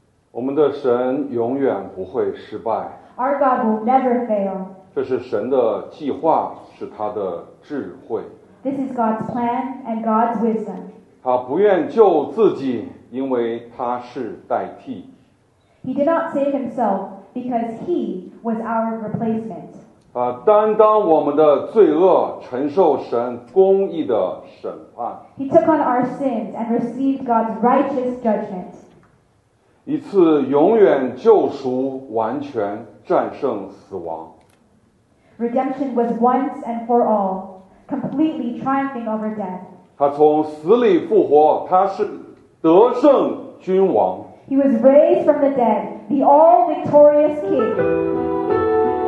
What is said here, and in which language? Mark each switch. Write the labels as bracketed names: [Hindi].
[Chinese] 我们的神永远不会失败。 [English] Our God will never fail. [Chinese] 这是神的计划，是他的智慧。 [English] This is God's plan and God's wisdom. [Chinese] 他不愿救自己，因为他是代替。 [English] He did not save himself because he was our replacement. [Chinese] 他担当我们的罪恶，承受神公义的审判。 [English] He took on our sins and received God's righteous judgment. [Chinese] 一次永远救赎，完全战胜死亡。 [English] Redemption was once and for all. Completely triumphing over death. [Chinese] 他从死里复活，他是得胜君王。 [English] He was raised from the dead, the all-victorious king.